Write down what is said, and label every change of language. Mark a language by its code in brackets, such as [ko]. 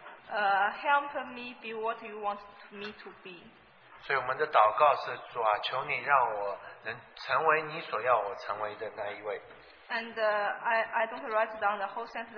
[en] Help me be what you want me to be. [zh] 所以我们的祷告是主啊，求你让我能成为你所要我成为的那一位。 [en] And I don't write down the whole sentence.